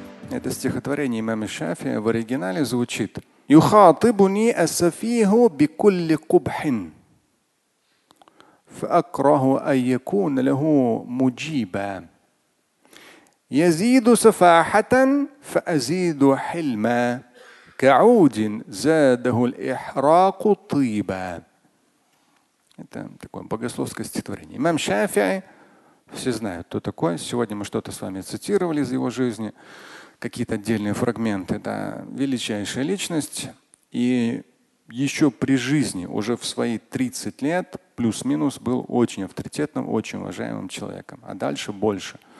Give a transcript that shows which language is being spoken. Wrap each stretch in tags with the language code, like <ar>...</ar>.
<ru>Это стихотворение имама Шафии в оригинале звучит:</ru> <ar>Юхатыбуни асафиху бикулли кубхин. فأكره أن يكون له مجيبا يزيد سفاحة فأزيد حلما كعود زاده الإحراق طيبا.</ar> <ru>Это такое богословское стихотворение. Имам Шафии, все знают, кто такой. Сегодня мы что-то с вами цитировали из его жизни, какие-то отдельные фрагменты. Это величайшая личность. И еще при жизни, уже в свои 30 лет, плюс-минус, был очень авторитетным, очень уважаемым человеком. А дальше больше.</ru>